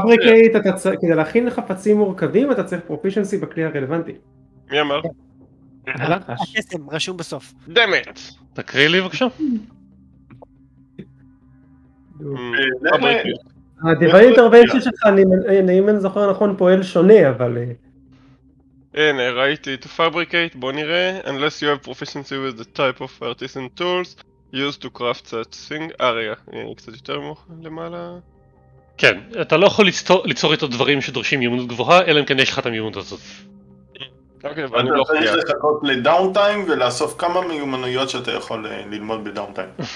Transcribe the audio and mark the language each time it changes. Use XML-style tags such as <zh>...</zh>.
<he>פאבריקייט, כדי להכין לחפצים מורכבים אתה צריך פרופישנסי בכלי הרלוונטי. מי אמר? הקסם רשום בסוף. דמת! תקריא לי בבקשה. פאבריקייט. הדיווי אינטרוויינצ'י שלך, אם אני זוכר נכון, פועל שונה, אבל... הנה, ראיתי,</he> <en>to fabricate,</en> <he>בוא נראה,</he> <en>unless you have proficiency with the type of artisan tools used to craft such thing,</en> <he>רגע, אני קצת יותר מוכן למעלה... כן, אתה לא יכול ליצור איתו דברים שדורשים מיומנות גבוהה, אלא אם כן יש לך את המיומנות הזאת. אוקיי, אבל אני לא חייב. אתה צריך לחכות לדאונטיים ולאסוף כמה מיומנויות שאתה יכול ללמוד בדאונטיים.</he>